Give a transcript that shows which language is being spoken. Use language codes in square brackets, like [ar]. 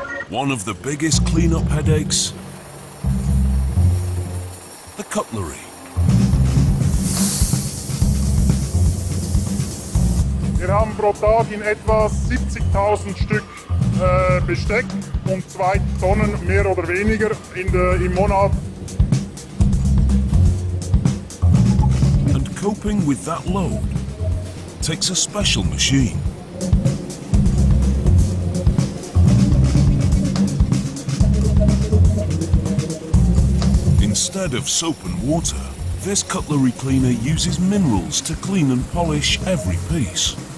[en] One of the biggest cleanup headaches, the cutlery. [de] Wir haben pro Tag in etwa 70.000 Stück Besteck und 2 Tonnen mehr oder weniger im Monat. [en] And coping with that load takes a special machine. Instead of soap and water, this cutlery cleaner uses minerals to clean and polish every piece.